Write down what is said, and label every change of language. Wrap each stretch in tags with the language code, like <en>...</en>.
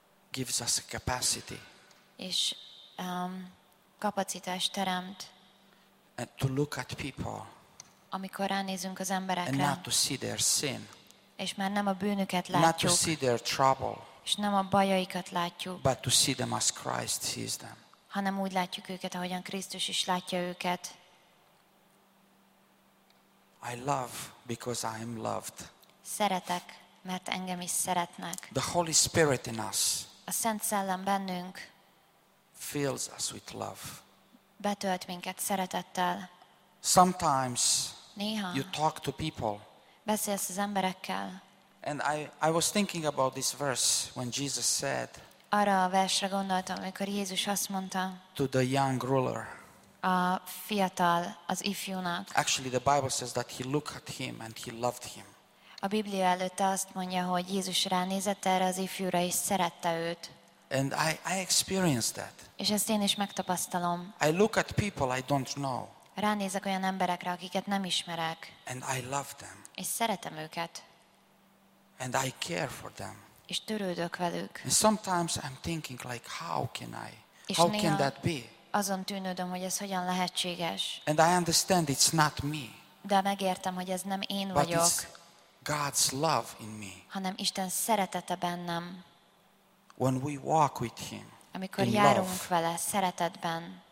<en>Gives us a capacity.</en> <hu>És kapacitást teremt.</hu> <en>And to look at people.</en> <hu>Amikor ránézünk az emberekre.</hu> <en>And not to see their sin.</en> <hu>És már nem a bűnüket látjuk.</hu> <en>Not to see their trouble.</en> <hu>És nem a bajaikat látjuk.</hu> <en>But to see them as Christ sees them.</en> <hu>Hanem úgy látjuk őket, ahogyan Krisztus is látja őket.</hu> <en>I love because I am loved.</en> <hu>Szeretek, mert engem is szeretnek.</hu> <en>The Holy Spirit in us.</en> <hu>A Szent Szellem bennünk.</hu> <en>Fills us with love.</en> <hu>Betölt minket szeretettel.</hu> <en>Sometimes.</en> <hu>Néha.</hu> <en>You talk to people.</en> <hu>Beszélsz az emberekkel.</hu> <en>And I was thinking about this verse when Jesus said.</en> <hu>Arra a versre gondoltam, amikor Jézus azt mondta.</hu> <en>To the young ruler.</en> <hu>A fiatal, az ifjúnak.</hu> <en>Actually, the Bible says that he looked at him and he loved him.</en> <hu>A Biblia előtt azt mondja, hogy Jézus ránézett erre az ifjúra és szerette őt.</hu> <en>And I experienced that.</en> <hu>És ezt én is megtapasztalom.</hu> <en>I look at people I don't know.</en> <hu>Ránézek olyan emberekre, akiket nem ismerek.</hu> <en>And I love them.</en> <hu>És szeretem őket.</hu> <en>And I care for them.</en> <hu>És törődök velük.</hu> <en>And sometimes I'm thinking like, how can I? How can that be?</en> <hu>Azon tűnődöm, hogy ez hogyan lehetséges.</hu> <en>And I understand it's not me.</en> <hu>De megértem, hogy ez nem én vagyok.</hu> <en>But it's God's love in me.</en> <hu>Hanem Isten szeretete bennem.</hu> <en>When we walk with him.</en> <hu>Amikor járunk vele szeretetben.</hu>